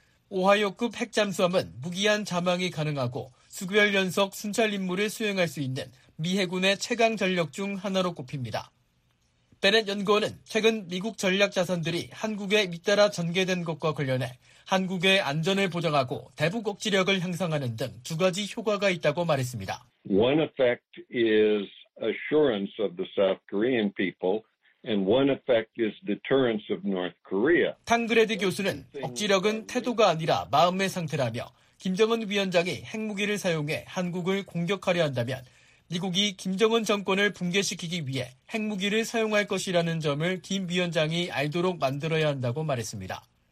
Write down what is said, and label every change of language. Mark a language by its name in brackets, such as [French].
[Korean] 오하이오급 핵 잠수함은 무기한 잠항이 가능하고 수개월 연속 순찰 임무를 수행할 수 있는 미 해군의 최강 전력 중 하나로 꼽힙니다. 베넷 연구원은 최근 미국 전략 자산들이 한국에 잇따라 전개된 것과 관련해 한국의 안전을 보장하고 대북 억지력을 향상하는 등 두 가지 효과가 있다고 말했습니다. [English] One effect is assurance of the South Korean people, and one effect is deterrence of North Korea. [Korean] 탕그레드 교수는 억지력은 태도가 아니라 마음의 상태라며 김정은 위원장이 핵무기를 사용해 한국을 공격하려 한다면 미국이 김정은 정권을 붕괴시키기 위해 핵무기를 사용할 것이라는 점을 김 위원장이 알도록 만들어야 한다고 말했습니다.